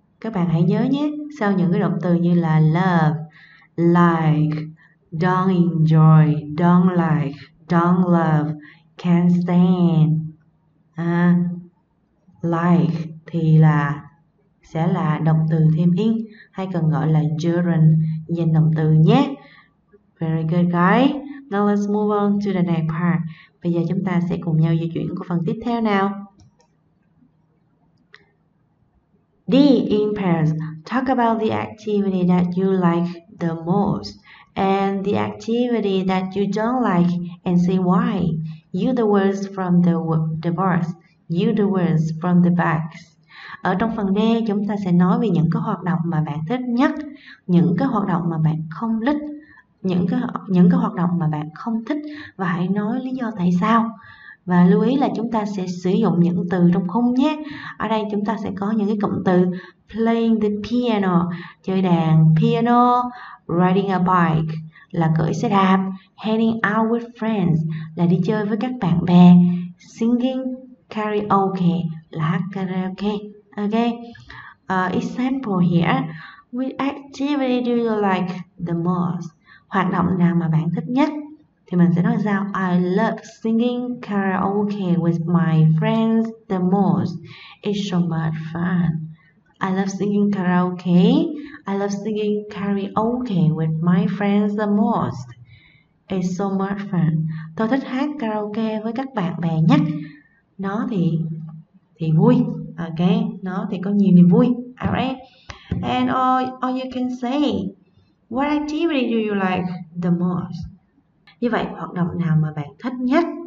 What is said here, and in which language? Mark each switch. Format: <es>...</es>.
<vi>Các bạn hãy nhớ nhé, sau những cái động từ như là love, like, don't enjoy, don't like, don't love, can't stand, like thì là sẽ là động từ thêm ing hay còn gọi là gerund, dành động từ nhé.</vi> <en>Very good guys. Now let's move on to the next part.</en> <vi>Bây giờ chúng ta sẽ cùng nhau di chuyển của phần tiếp theo nào.</vi> <en>D in pairs. Talk about the activity that you like the most and the activity that you don't like and say why. Use the words from the box. Use the words from the box.</en> <vi>Ở trong phần D chúng ta sẽ nói về những cái hoạt động mà bạn thích nhất, những cái hoạt động mà bạn không thích, những cái hoạt động mà bạn không thích và hãy nói lý do tại sao. Và lưu ý là chúng ta sẽ sử dụng những từ trong khung nhé. Ở đây chúng ta sẽ có những cái cụm từ</vi> <en>playing the piano,</en> <vi>chơi đàn piano,</vi> <en>riding a bike</en> <vi>là cưỡi xe đạp,</vi> <en>hanging out with friends</en> <vi>là đi chơi với các bạn bè,</vi> <en>singing karaoke</en> <vi>là hát karaoke. Okay.</vi> <en>Example here. Which activity do you like the most?</en> <vi>Hoạt động nào mà bạn thích nhất? Thì mình sẽ nói sao?</vi> <en>I love singing karaoke with my friends the most. It's so much fun. I love singing karaoke. I love singing karaoke with my friends the most. It's so much fun.</en> <vi>Tôi thích hát karaoke với các bạn bè nhất. Nó thì vui. Okay, nó thì có nhiều niềm vui.</vi> <en>Alright. And all you can say, what activity do you like the most?</en> <vi>Như vậy, hoạt động nào mà bạn thích nhất?</vi>